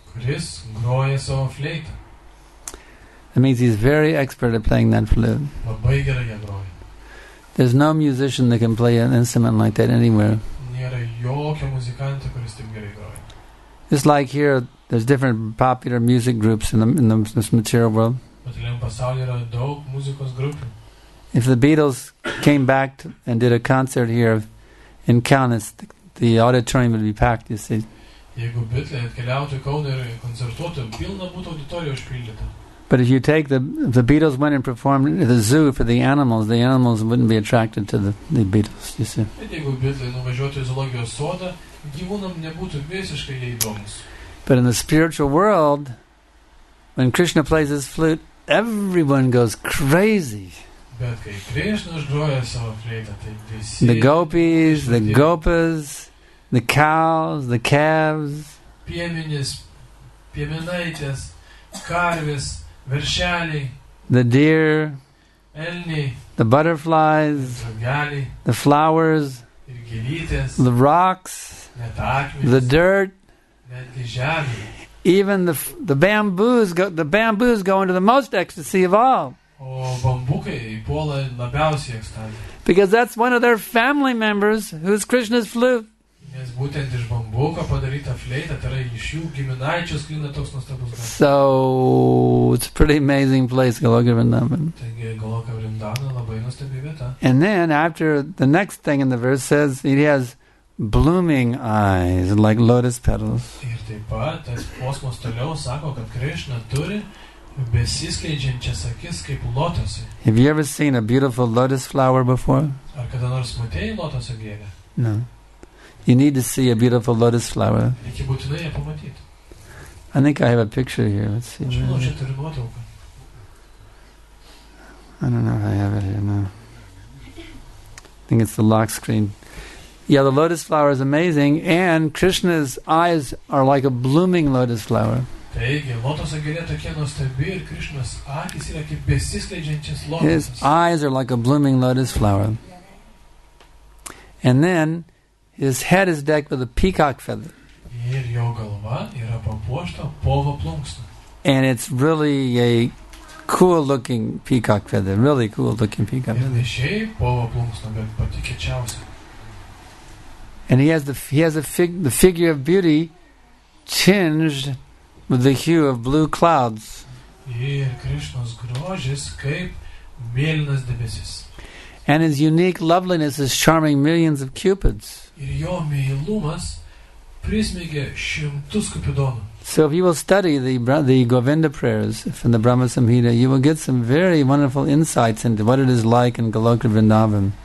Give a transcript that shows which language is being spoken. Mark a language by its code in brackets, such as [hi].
[lt] Kuris groja savo fleitą. [en] That means he's very expert at playing that flute. [lt] Labai gerai jie groja. [en] There's no musician that can play an instrument like that anywhere. [lt] Nėra jokio muzikanto, kuris taip gerai groja. [en] It's like here, there's different popular music groups in the this material world. [lt] Materialiam pasaulyje yra daug muzikos grupių. [en] If the Beatles came back and did a concert here in Kaunas, the auditorium would be packed, you see. [lt] Jeigu Beatles atkeliautų į Kauną ir koncertuotų, pilna būtų auditorija užpildyta. [en] But if you take the Beatles went and performed at the zoo for the animals wouldn't be attracted to the Beatles, you see. [lt] Jeigu Beatles nuvažiuotų į zoologijos sodą, gyvūnam nebūtų visiškai neįdomus. [en] But in the spiritual world, when Krishna plays his flute, everyone goes crazy. [lt] Bet kai Krishna užgroja savo fleitą, tai visi... [en] The gopis, the gopas, the cows, the calves. [lt] Pieminis, pieminaitės, karvis, veršeliai. [en] The deer. [lt] Elniai. [en] The butterflies. [lt] Žogeliai. [en] The flowers. [lt] Ir gėlytės. [en] The rocks. [lt] Net akmenys. [en] The dirt. [lt] Netgi žemė. [en] Even the bamboos go into the most ecstasy of all. [lt] O bambukai puola labiausiai ekstazė. [en] Because that's one of their family members who's Krishna's flute. [lt] Nes būtent iš bambuko padaryta fleita, tai yra iš jų giminaičių sklinda toks nuostabus garsas. [en] So, it's a pretty amazing place, Goloka Vrindavan. [lt] Taigi, Goloka Vrindavan labai nuostabi vieta. [en] And then, after the next thing in the verse says, it has blooming eyes, like lotus petals. [lt] Ir taip pat, tas posmas toliau sako, kad Krishna turi besiskleidžiančias akis kaip lotosai. [en] Have you ever seen a beautiful lotus flower before? [lt] Ar kada nors matėjai lotosą gėlę? [en] No. You need to see a beautiful lotus flower. [lt] Reikia būtinai ją pamatyti. [en] I think I have a picture here. Let's see. [lt] Aš manau, čia turi nuotrauką. [en] I don't know if I have it here now. I think it's the lock screen. Yeah, the lotus flower is amazing, and Krishna's eyes are like a blooming lotus flower. [lt] Taigi, lotus gėlė tokia nuostabi, ir Krishna's akis yra kaip besiskleidžiančias lotus. [en] His eyes are like a blooming lotus flower. And then, his head is decked with a peacock feather. [lt] Ir jo galva yra papuošta povo plunksna. [en] And it's really a cool-looking peacock feather. Really cool-looking peacock feather. [lt] Ir ne šiaip povo plunksna, bet pati kečiausia. [en] And he has the figure of beauty tinged with the hue of blue clouds. [lt] Ir Krishna's grožis kaip mėlynas debesis. [en] And his unique loveliness is charming millions of cupids. [lt] Ir jo meilumas prismigė šimtus kupidonų. [en] So if you will study the Govinda prayers from the Brahma Samhita, you will get some very wonderful insights into what it is like in Goloka Vrindavan.